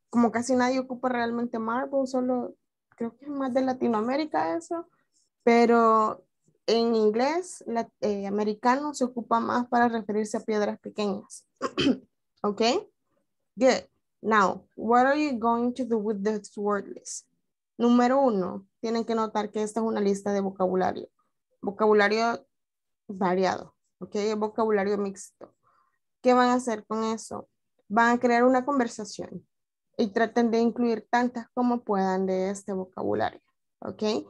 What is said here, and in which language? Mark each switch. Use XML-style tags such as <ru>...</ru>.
<es>como casi nadie ocupa realmente marble, solo creo que es más de Latinoamérica eso, pero en inglés americano se ocupa más para referirse a piedras pequeñas.</es> <en>Ok, good. Now, what are you going to do with this word list?</en> <es>Número uno, tienen que notar que esta es una lista de vocabulario. Vocabulario variado, ok, vocabulario mixto. ¿Qué van a hacer con eso? Van a crear una conversación. Y traten de incluir tantas como puedan de este vocabulario. ¿Ok?</es>